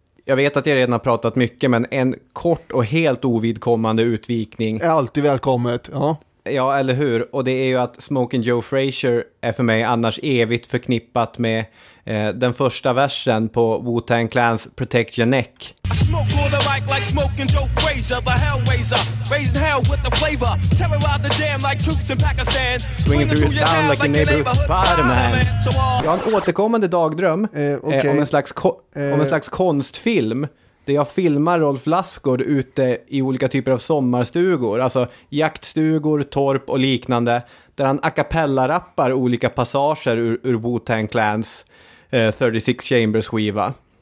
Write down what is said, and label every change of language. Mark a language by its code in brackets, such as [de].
[sv] Jag vet att jag redan har pratat mycket, men en kort och helt ovidkommande utvikning är alltid välkommet, ja. Ja, eller hur? Och det är ju att Smokin' Joe Frazier är för mig annars evigt förknippat med den första versen på Wu-Tang Clans Protect Your Neck. [en] I smoke on the mic like Smokin' Joe Frazier, the hellraiser, raising hell with the flavor, terrorize the jam like troops in Pakistan, swinging through your town like a neighborhood Spider-Man. [sv] Jag har en återkommande dagdröm om en slags konstfilm. Där jag filmar Rolf Lassgård ute i olika typer av sommarstugor. Alltså jaktstugor, torp och liknande. Där han a cappella rappar olika passager ur Wu-Tang Clans 36 Chambers-skiva.